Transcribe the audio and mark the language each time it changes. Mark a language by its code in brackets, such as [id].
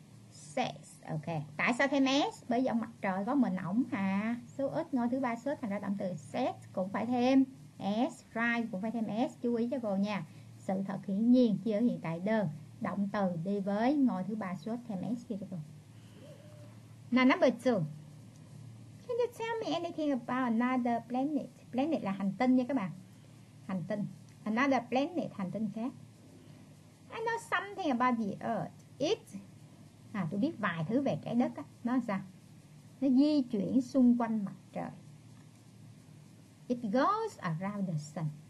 [en] Sets, ok. [vi] Tại sao thêm s? Bởi vì mặt trời có mình ổng hà. Số ít ngôi thứ ba số ít, thành ra động từ set cũng phải thêm s. Rise cũng phải thêm s, chú ý cho cô nha. Sự thật hiển nhiên, chỉ ở hiện tại đơn. Động từ đi với ngôi thứ ba số ít, thêm s kia cho cô. [en] Now number 2. Can you tell me anything about another planet? [vi] Planet là hành tinh nha các bạn. Hành tinh. [en] Another planet, [vi] hành tinh khác. [en] I know something about the Earth. It. [vi] Tôi biết vài thứ về trái đất á. Nó sao? Nó di chuyển xung quanh mặt trời. [en] It goes around the sun.